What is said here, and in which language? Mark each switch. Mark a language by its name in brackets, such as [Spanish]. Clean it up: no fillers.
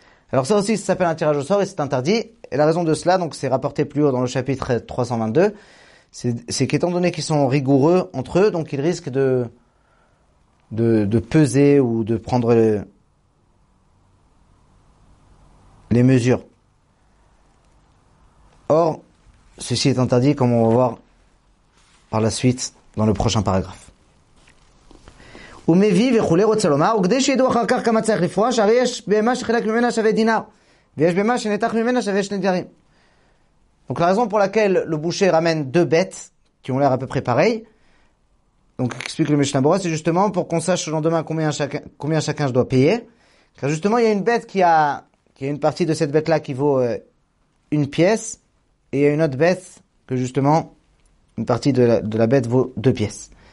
[French] Alors ça aussi, ça s'appelle un tirage au sort et c'est interdit. Et la raison de cela, donc c'est rapporté plus haut dans le chapitre 322, c'est qu'étant donné qu'ils sont rigoureux entre eux, donc ils risquent de peser ou de prendre les mesures. Or, ceci est interdit, comme on va voir par la suite dans le prochain paragraphe. [Hebrew] ומבי וכולי רוצה לומר, וכדי שידעו אחר כך כמה צריך לפרוש, הרי יש בהמה שחלק ממנה שווה דינר, ויש בהמה שנתח ממנה שווה שני דינרים. [French] Donc la raison pour laquelle le boucher ramène deux bêtes, qui ont l'air à peu près pareilles, donc explique le Mishnah Berurah, c'est justement pour qu'on sache le lendemain combien chacun je dois payer. Car justement, il y a une bête qui a une partie de cette bête-là qui vaut une pièce, et il y a une autre bête que justement, une partie de la bête vaut deux pièces.